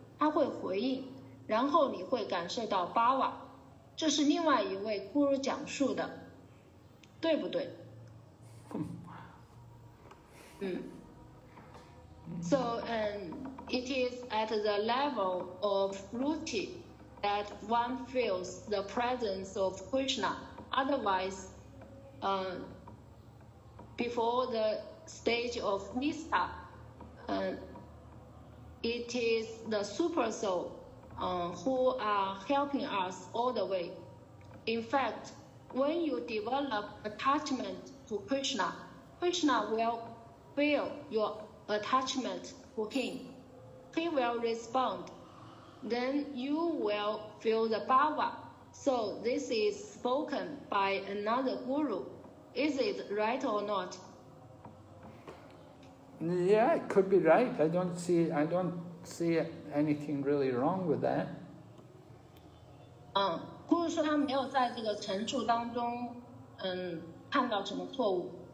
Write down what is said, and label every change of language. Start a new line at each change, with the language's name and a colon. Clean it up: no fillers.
Chinese: 他会回应，然后你会感受到巴瓦。这是另外一位咕噜讲述的，对不对？
English: So, it is at the level of Ruti that one feels the presence of Krishna. Otherwise, before the stage of Nista, it is the super soul who are helping us all the way. In fact, when you develop attachment to Krishna, Krishna will feel your attachment to him. He will respond. Then you will feel the bhava. So this is spoken by another guru. Is it right or not? Yeah, it could be right. I don't see anything really wrong with that.
Chinese: 故事说他没有在这个陈述当中看到什么错误。